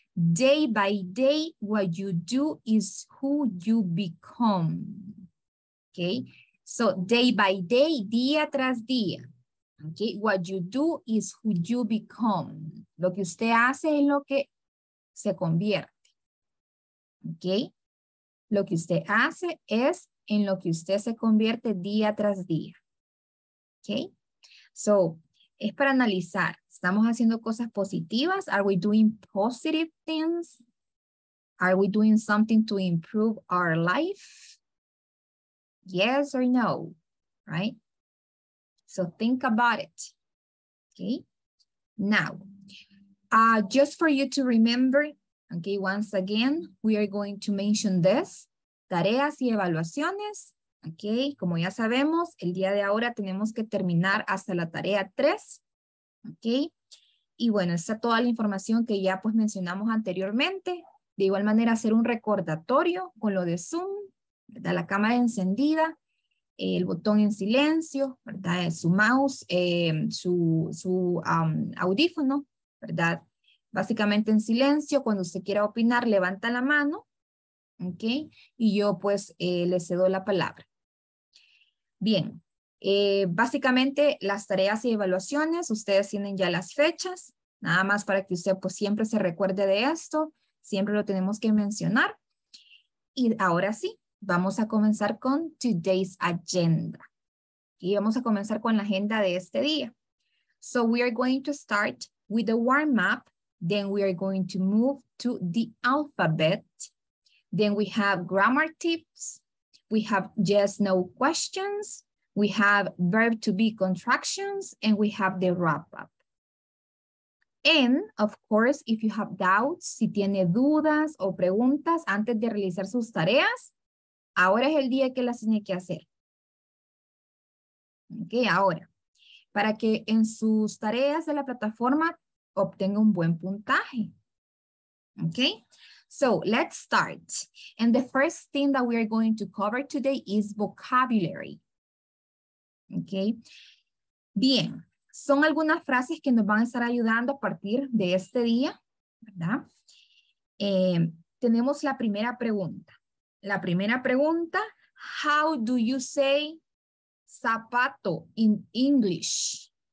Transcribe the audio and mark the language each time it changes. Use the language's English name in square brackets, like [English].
[English] Day by day, what you do is who you become, ok. So, day by day, [Spanish] día tras día. [English] Okay, what you do is who you become. [Spanish] Lo que usted hace es lo que se convierte. Okay, lo que usted hace es en lo que usted se convierte día tras día. Okay, so es para analizar. Estamos haciendo cosas positivas. [English] Are we doing positive things? Are we doing something to improve our life? Yes or no, right? So think about it, okay? Now, just for you to remember, okay, once again, we are going to mention this, [Spanish] tareas y evaluaciones, [English] okay? [Spanish] Como ya sabemos, el día de ahora tenemos que terminar hasta la tarea 3, okay? Y bueno, está toda la información que ya pues mencionamos anteriormente. De igual manera, hacer un recordatorio con lo de Zoom, ¿verdad? La cámara encendida. El botón en silencio, ¿verdad? Su mouse, su audífono, ¿verdad? Básicamente en silencio, cuando usted quiera opinar, levanta la mano, ¿ok? Y yo pues le cedo la palabra. Bien, básicamente las tareas y evaluaciones, ustedes tienen ya las fechas, nada más para que usted pues siempre se recuerde de esto, siempre lo tenemos que mencionar. Y ahora sí. Vamos a comenzar con [English] today's agenda. [Spanish] Y vamos a comenzar con la agenda de este día. [English] So we are going to start with the warm up. Then we are going to move to the alphabet. Then we have grammar tips. We have yes, no questions. We have verb to be contractions. And we have the wrap up. And of course, if you have doubts, [Spanish] si tiene dudas o preguntas antes de realizar sus tareas, ahora es el día que las tiene que hacer. Ok, ahora, para que en sus tareas de la plataforma obtenga un buen puntaje. [English] Ok, so let's start. And the first thing that we are going to cover today is vocabulary. [Spanish] Ok, bien, son algunas frases que nos van a estar ayudando a partir de este día, ¿verdad? Tenemos la primera pregunta. La primera pregunta, [English] how do you say zapato in English?